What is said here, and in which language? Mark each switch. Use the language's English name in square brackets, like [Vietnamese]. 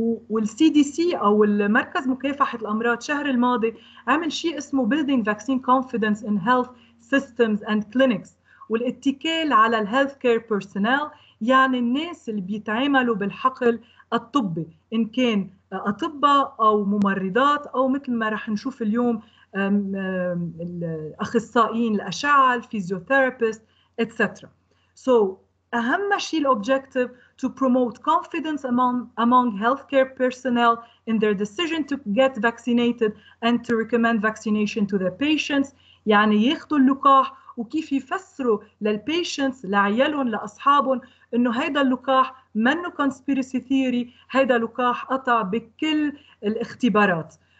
[Arabic] والسي دي سي او المركز مكافحة الامراض شهر الماضي عمل شيء اسمه [English] building vaccine confidence in health systems and clinics، [Arabic] والاتكال على الهيلث كير بيرسونيل، يعني الناس اللي بيتعاملوا بالحقل الطبي، ان كان اطباء او ممرضات او مثل ما رح نشوف اليوم الأخصائيين الأشعة، الفيزيوثيرابيست etc. [English] So [Arabic] أهم شيء الأوبجكتيف [English] to promote confidence among healthcare personnel in their decision to get vaccinated and to recommend vaccination to their patients. [Arabic] يعني ياخدوا اللقاح، وكيف يفسروا للpatients، لعيالهم، لأصحابهم إنه هيدا اللقاح منه conspiracy theory، هيدا لقاح قطع بكل الاختبارات.